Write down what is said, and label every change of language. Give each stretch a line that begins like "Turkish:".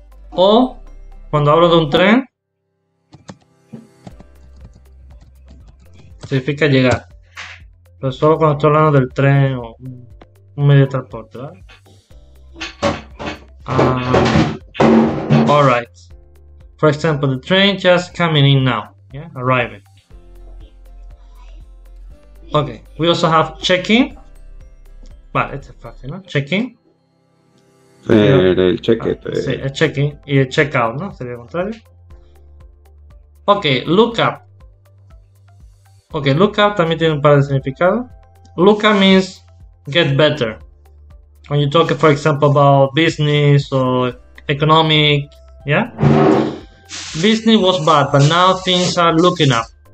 Spanish: O cuando hablo de un tren, significa llegar. Pero solo cuando estoy hablando del tren o un medio de transporte, ¿vale?
English: All right. For example, the train just coming in now. Yeah, arriving. Okay, we also have check-in.
Spanish: Vale, este es fácil, ¿no?
English: Check-in.
Spanish: El check-in. Sí, el check-in y el check-out, ¿no? Sería el contrario.
English: Okay, look up.
Spanish: Okay, look up también tiene un par de significados.
English: Look up means get better. When you talk, for example, about business or economic, yeah? Business was bad, but now things are looking up.